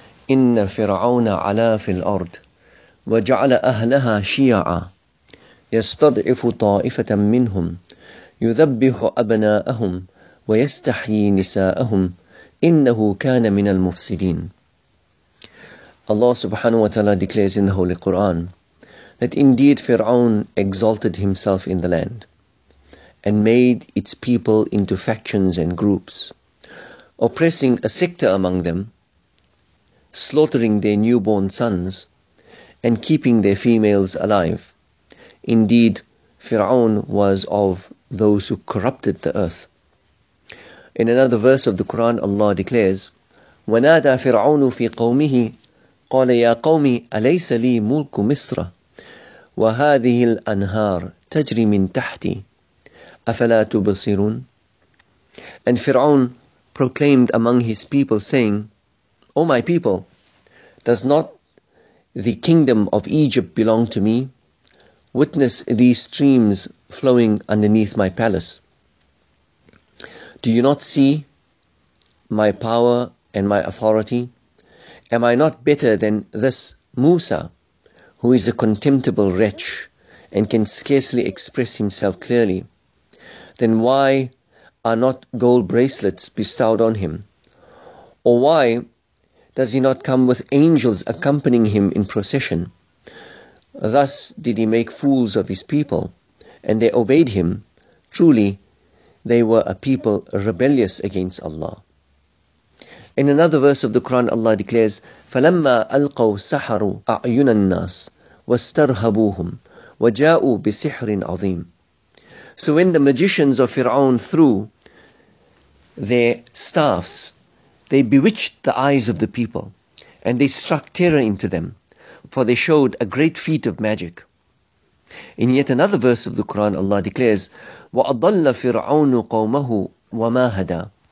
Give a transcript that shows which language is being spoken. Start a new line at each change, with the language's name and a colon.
Arabic: إن فرعون علا في الأرض وجعل أهلها شيعا يستضعف طائفة منهم يذبح أبناءهم ويستحيي نساءهم إنه كان من المفسدين.
English: Allah subhanahu wa ta'ala declares in the Holy Quran that indeed Fir'aun exalted himself in the land and made its people into factions and groups, oppressing a sector among them, slaughtering their newborn sons, and keeping their females alive. Indeed, Fir'aun was of those who corrupted the earth. In another verse of the Quran, Allah declares,
Arabic: وَنَادَى فِرْعَوْنُ فِي قَوْمِهِ قَالَ يَا قَوْمِ أَلَيْسَ لِي مُلْكُ مِصْرَ وَهَذِهِ الْأَنْهَارِ تَجْرِ مِنْ تَحْتِي أَفَلَا تُبَصِرُونَ.
English: And Fir'aun proclaimed among his people, saying, O my people, does not the kingdom of Egypt belong to me? Witness these streams flowing underneath my palace. Do you not see my power and my authority? Am I not better than this Musa, who is a contemptible wretch and can scarcely express himself clearly? Then why are not gold bracelets bestowed on him? Or why does he not come with angels accompanying him in procession? Thus did he make fools of his people, and they obeyed him. Truly, they were a people rebellious against Allah. In another verse of the Quran, Allah declares,
Arabic: فَلَمَّا أَلْقَوْا سَحَرُوا أَعْيُنَ النَّاسِ وَاسْتَرْهَبُوهُمْ وَجَاءُوا بِسِحْرٍ عَظِيمٍ.
English: So when the magicians of Fir'aun threw their staffs, they bewitched the eyes of the people, and they struck terror into them, for they showed a great feat of magic. In yet another verse of the Quran, Allah declares,
Arabic: وَأَضَلَّ فِرْعَوْنُ قَوْمَهُ وَمَا هَدَى.